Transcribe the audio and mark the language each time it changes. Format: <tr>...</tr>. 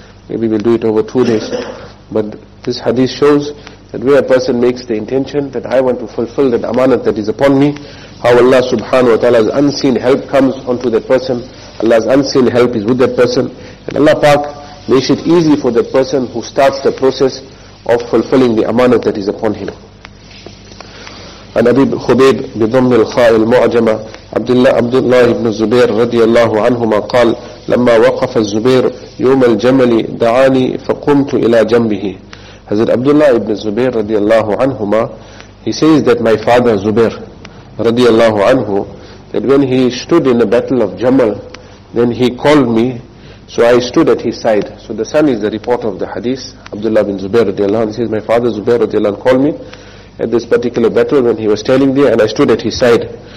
<en>Maybe we'll do it over 2 days. But this hadith shows that where a person makes the intention that I want to fulfill that amanat that is upon me, how Allah subhanahu wa ta'ala's unseen help comes onto that person. Allah's unseen help is with that person. And Allah Pak makes it easy for that person who starts the process of fulfilling the amanat that is upon him.</en> <ar>And Abi Khubayb بضم الخاء المعجمة عبد الله بن الزبير رضي الله عنهما قال لما وقف الزبير يوم الجمل دعاني فقمت إلى جنبه.</ar> <en>Hazrat Abdullah ibn Zubair radiallahu anhuma, he says that my father Zubair radiallahu anhu, that when he stood in the battle of Jamal, then he called me, so I stood at his side. So the son is the reporter of the hadith, Abdullah ibn Zubair radiallahu anhu, he says my father Zubair radiallahu anhu called me at this particular battle when he was standing there and I stood at his side.</en>